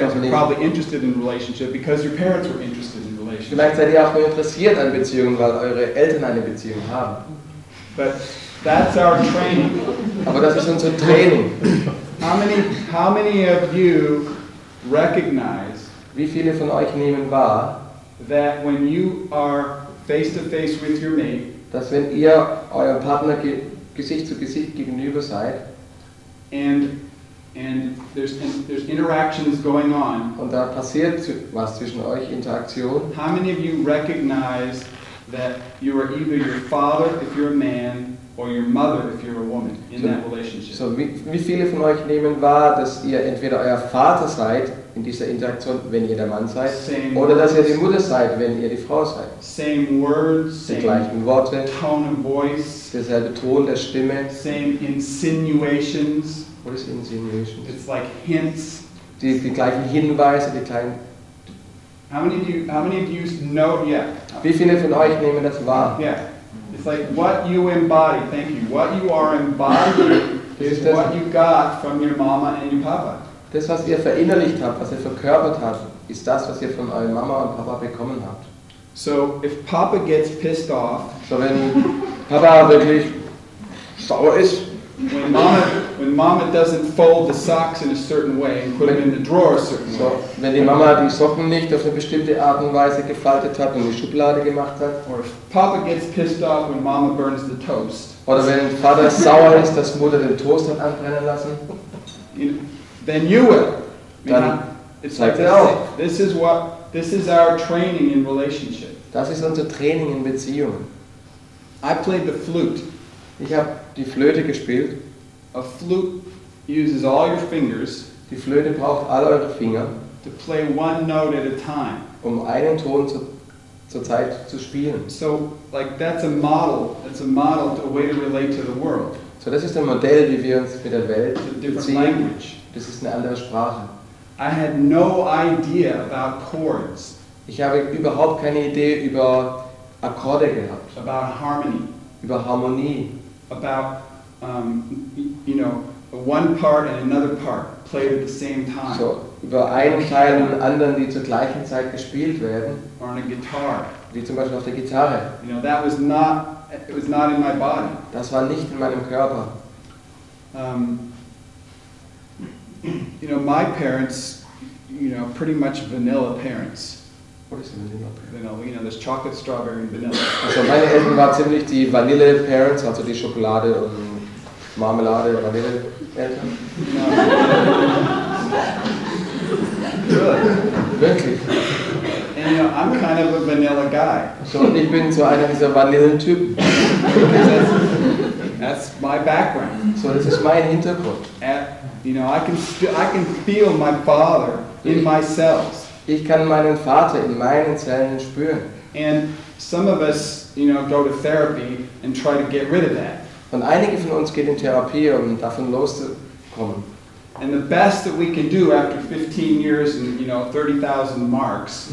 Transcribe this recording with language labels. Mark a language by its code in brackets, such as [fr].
[en] you guys are probably interested in relationship because your parents were interested in relationship. [de] Vielleicht seid ihr auch nur interessiert an Beziehungen, weil eure Eltern eine Beziehung haben. [en] But that's our training. [de] Aber das ist unser Training. [en] How many of you recognize? [de] Wie viele von euch nehmen wahr, [en] that when you are face to face with your mate, [de] dass wenn ihr euer Partner Gesicht zu Gesicht gegenüber seid, [en] and there's interactions going on, [de] und da passiert was zwischen euch, Interaktion. [en] How many of you recognize that you are either your father if you're a man, or your mother if you're a woman in that relationship? [de] So wie viele von euch nehmen wahr, dass ihr entweder euer Vater seid in dieser Interaktion, wenn ihr der Mann seid, [en] same [de] oder dass ihr die Mutter seid, wenn ihr die Frau seid? [en] Same words, [de] die gleichen Worte, [en] tone of voice, [de] derselbe Ton der Stimme. [en] Same insinuations. What is insinuations? It's like hints. [de] Die gleichen Hinweise, die kleinen. [en] How many of you know? Yeah. [de] Wie viele von euch nehmen das wahr? [en] Yeah. It's like what you embody. Thank you. What you are embodying is what you got from your mama and your papa. [de] Das, was ihr verinnerlicht habt, was ihr verkörpert habt, ist das, was ihr von eurem Mama und Papa bekommen habt. [en] So, if Papa gets pissed off, [de] so wenn Papa wirklich sauer ist, [en] when Mama doesn't fold the socks in a certain way and put them in the drawer a certain way, [de] wenn die Mama die Socken nicht auf eine bestimmte Art und Weise gefaltet hat und in die Schublade gemacht hat, [en] or if Papa gets pissed off when Mama burns the toast, [de] oder wenn Vater sauer ist, dass Mutter den Toast hat anbrennen lassen, [en] then you will. I mean, it's like this is our training in relationship. [de] Das ist unser Training in Beziehungen. [en] I played the flute. [de] Ich habe die Flöte gespielt. [en] A flute uses all your fingers. [de] Die Flöte braucht alle eure Finger. [en] To play one note at a time. [de] Um einen Ton zur Zeit zu spielen. [en] So, like that's a model. That's a model, a way to relate to the world. [de] So das ist ein Modell, wie wir uns mit der Welt beziehen. Das ist eine andere Sprache. [en] I had no idea about chords. [de] Ich habe überhaupt keine Idee über Akkorde gehabt. [en] About harmony. [de] Über Harmonie. [en] About you know, one part and another part played at the same time. [de] So über einen Teil und anderen, die zur gleichen Zeit gespielt werden. [en] Or on a guitar. [de] Wie zum Beispiel auf der Gitarre. [en] You know, that was not, it was not in my body. [de] Das war nicht in meinem Körper. [en] You know, my parents, you know, pretty much vanilla parents. What is a vanilla parent? Vanilla, you know, there's chocolate, strawberry and vanilla. [de] Also meine Eltern waren ziemlich die vanille parents, also die Schokolade und Marmelade, vanille Eltern. [en] No. Good. [de] Wirklich. [en] And you know, I'm kind of a vanilla guy. [de] So ich bin so einer dieser Vanillentypen. [en] That's my background. So this is [de] mein Hintergrund. [en] You know, I can feel my father in my cells. [de] Ich kann meinen Vater in meinen Zellen spüren. [en] And some of us, you know, go to therapy and try to get rid of that. [de] Und einige von uns gehen in Therapie, um davon loszukommen. [en] And the best that we can do after 15 years and, you know, 30,000 marks.